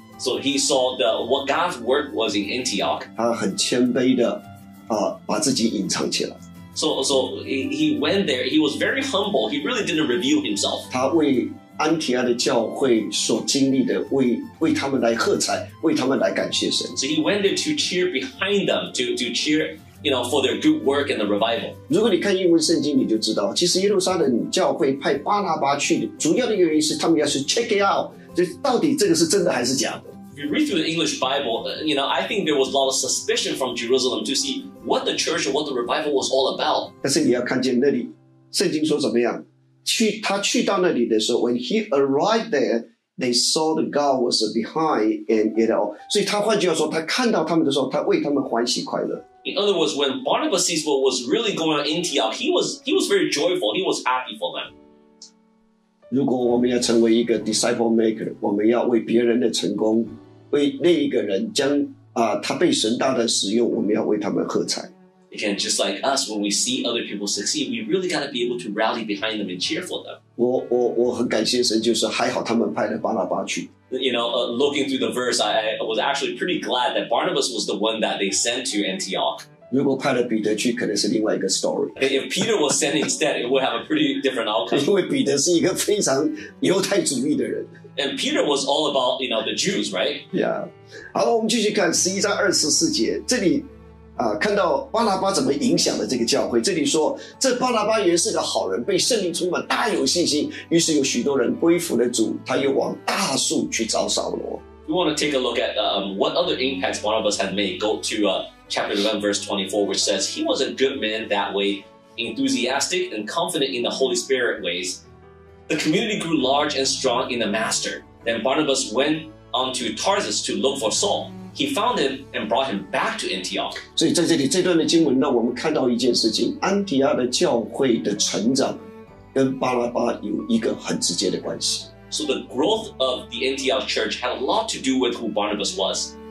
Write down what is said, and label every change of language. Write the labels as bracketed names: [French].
[English] So he saw what God's work was in Antioch. [Chinese] 他很谦卑的把自己隐藏起来。 [English] So he went there. He was very humble. He really didn't reveal himself. [Chinese] 他为安提阿的教会所经历的，为他们来喝彩，为他们来感谢神。 [English] So he went there to cheer behind them, to cheer, you know, for their good work and the revival. [Chinese] 如果你看英文圣经，你就知道，其实耶路撒冷教会派巴拿巴去的主要的原因是他们要去 [English] check it out， [Chinese] 就到底这个是真的还是假的。 [English] If you read through the English Bible, you know, I think there was a lot of suspicion from Jerusalem to see what the church or what the revival was all about. [Chinese] 但是你要看见那里，圣经说怎么样？他去到那里的时候 [English] ，when he arrived there, they saw the God was behind and it all. [Chinese] 所以他换句话说，他看到他们的时候，他为他们欢喜快乐。 [English] In other words, when Barnabas sees what was really going on in Antioch, he was very joyful. He was happy for them. [Chinese] 如果我们要成为一个 disciple maker， 我们要为别人的成功，为那一个人将他被神大大使用，我们要为他们喝彩。 [English] Again, just like us, when we see other people succeed, we really got to be able to rally behind them and cheer for them. [Chinese] 我很感谢神，就是还好他们派了巴拿巴去。 [English] You know,looking through the verse, I was actually pretty glad that Barnabas was the one that they sent to Antioch. [Chinese] 如果派了彼得去，可能是另外一个 story. [English] If Peter was sent instead, it would have a pretty different outcome. [Chinese] 因为彼得是一个非常犹太主义的人。 [English] And Peter was all about, you know, the Jews, right? Yeah. [Chinese] 好，我们继续看11章24节，这里看到巴拿巴怎么影响了这个教会。这里说，这巴拿巴原是个好人，被圣灵充满，大有信心。于是有许多人归服了主，他又往大树去找扫罗。 [English] We want to take a look at what other impacts Barnabas had made. Go to chapter 11, verse 24, which says, He was a good man that way, enthusiastic and confident in the Holy Spirit ways. The community grew large and strong in the master. Then Barnabas went on to Tarsus to look for Saul. He found him and brought him back to Antioch. [Chinese] 所以在这里这段的经文呢，我们看到一件事情，安提阿的教会的成长跟巴拿巴有一个很直接的关系。 [English] So the growth of the Antioch church had a lot to do with who Barnabas was.